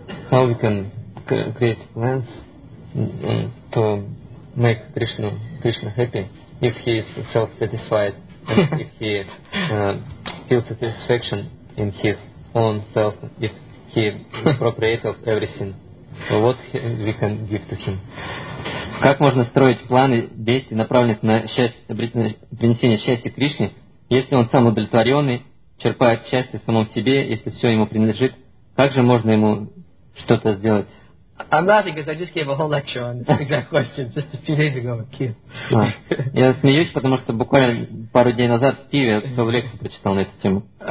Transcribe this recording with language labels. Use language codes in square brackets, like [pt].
[en] How we can create plans to make Krishna happy if he is self-satisfied and if he feels satisfaction in his own self, if he appropriate of everything. So what we can give to him? [ru] Как можно строить планы действий, направленных на счастье, принесение счастья Кришне, если он сам удовлетворенный черпает счастье в самом себе, если все ему принадлежит, как же можно ему что-то сделать? [en] I'm laughing because I just gave a whole lecture on this exact question just a few days ago in Kiev. [ru] Я смеюсь, потому что буквально пару дней назад в Киеве я свою лекцию прочитал на эту тему.